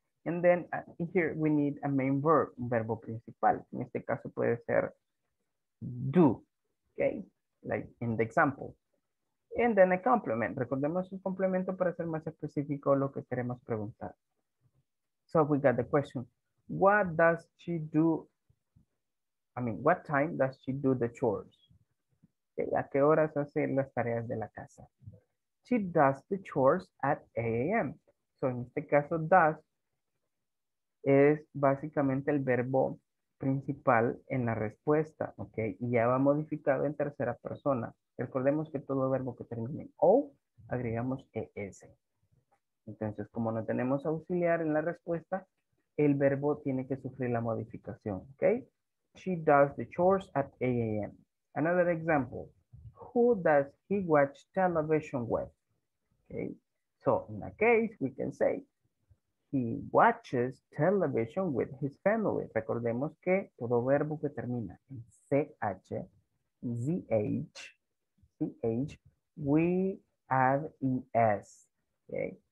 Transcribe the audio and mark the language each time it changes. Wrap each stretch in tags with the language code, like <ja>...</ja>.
<en>And then here we need a main verb,</en> <es>un verbo principal. En este caso puede ser do, okay?</es> <en>Like in the example. And then a complement.</en> <es>Recordemos un complemento para ser más específico lo que queremos preguntar.</es> <en>So we got the question. What does she do? I mean, what time does she do the chores?</en> <es>Okay, ¿a qué horas hace las tareas de la casa?</es> <en>She does the chores at 8 a.m.</en> <es>So in este caso, does es básicamente el verbo principal en la respuesta, ok, y ya va modificado en tercera persona. Recordemos que todo verbo que termine en O, agregamos ES. Entonces, como no tenemos auxiliar en la respuesta, el verbo tiene que sufrir la modificación, ok.</es> <en>She does the chores at 8 a.m. Another example, who does he watch television with? Ok, so in that case, we can say, he watches television with his family.</en> <es>Recordemos que todo verbo que termina en CH, ZH, CH,</es> <en>we add ES.</en> <es>Okay?</es>